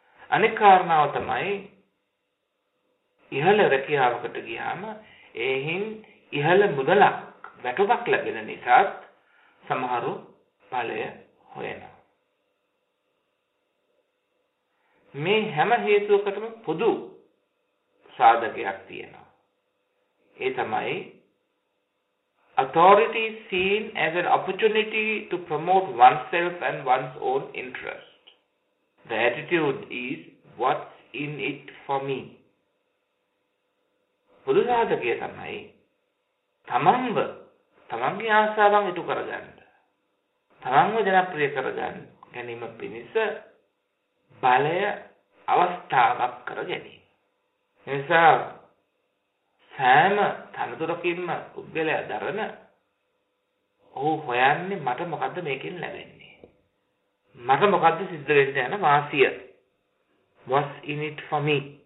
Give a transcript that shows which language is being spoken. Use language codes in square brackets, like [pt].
[si] අනෙක් කාරණාව තමයි ඉහළ රැකියාවකට ගියාම එහෙන් ඉහළ මුදලක් වැටුපක් ලැබෙන නිසාත් සමහරු බලය හොයනවා. මේ හැම හේතුවකටම පොදු සාධකයක් තියෙනවා. ඒ තමයි [en] authority seen as an opportunity to promote oneself and one's own interest. The attitude is what's in it for me. [si] පොදු සාධකය තමයි තමන්ව තමන්ගේ ආසාවන් ඉටු කරගන්න, තමන්ව ජනප්‍රිය කරගන්න ගැනීම පිණිස බලය අවස්ථාවක් කර ගැනීම. එනිසා සෑම තනතුරකින්ම උද්ගලය දරන ඔහු හොයන්නේ මට මොකද්ද මේකෙන් ලැබෙන්නේ, මට මොකද්ද සිද්ධ වෙන්න යන වාසිය, [en] what's in it for me.